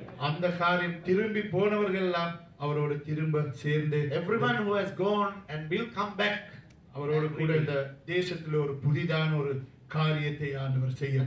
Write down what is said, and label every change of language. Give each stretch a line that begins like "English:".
Tamil: அந்த காரியம் திரும்பி போனவர்கள் எல்லாம் அவரோடு திரும்ப சேர்ந்து,
English: everyone who has gone and will come back,
Tamil: அவரோடு கூட இந்த தேசத்தில் ஒரு புதிதான ஒரு காரியத்தை ஆண்டவர் செய்யும்.